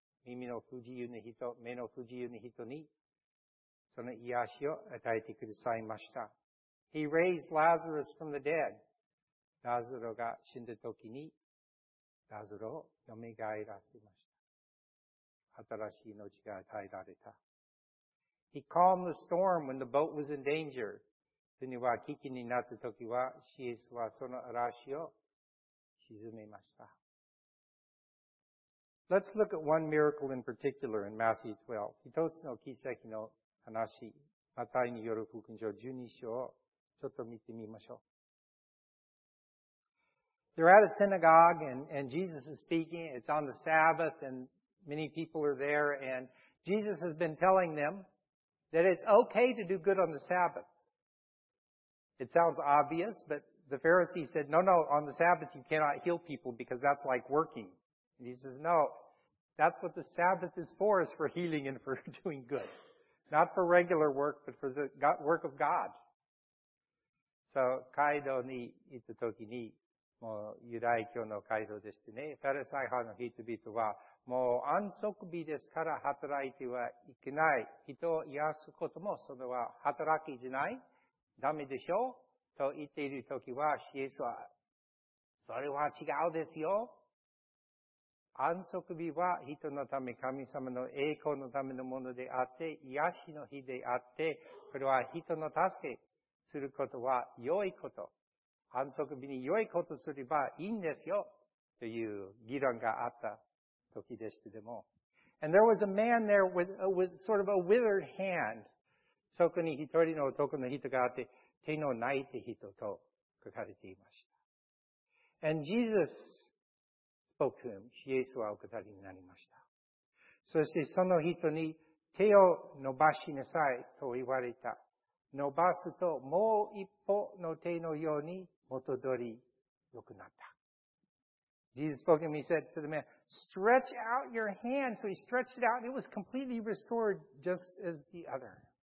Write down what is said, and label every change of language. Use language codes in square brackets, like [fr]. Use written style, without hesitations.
[ja] 耳の不自由な人、目の不自由な人に、その癒しを与えてくださいました。 [en] He raised Lazarus from the dead. [ja] ラザロが死んだ時に、ラザロを蘇らせました。新しい命が与えられた。 [en] He calmed the storm when the boat was in danger. [ja] 船は危機になった時は、イエスはその嵐を沈めました。 [en] Let's look at one miracle in particular in Matthew 12. [ja] 一つの奇跡の話、マタイによる福音書12章をちょっと見てみましょう。 [en] They're at a synagogue and Jesus is speaking. It's on the Sabbath and many people are there and Jesus has been telling them that it's okay to do good on the Sabbath. It sounds obvious, but the Pharisees said, no, on the Sabbath you cannot heal people because that's like working. And he says, no, that's what the Sabbath is for healing and for doing good. Not for regular work, but for the work of God. [ja] So, 街道に行った時に、もうユダヤ教の街道でしてね、ファリサイ派の人々は、もう安息日ですから働いてはいけない。人を癒すことも、それは働きじゃない。ダメでしょと言っている時は、イエスは、それは違うですよ。安息日は人のため、神様の栄光のためのものであって、癒しの日であって、これは人の助けすることは良いこと。安息日に良いことすればいいんですよ。という議論があった時でしたでも。 [en] And there was a man there with sort of a withered hand. [ja] そこに一人の男の人があって、手のないて人と書かれていました。 [en] And Jesus,spoke to him. [ja] イエスはお語りになりました。そしてその人に手を伸ばしなさいと言われた。伸ばすともう一歩の手のように元通り良くなった。 [en] Jesus spoke to him. He said to the man, stretch out your hand. So he stretched it out and it was completely restored just as the other.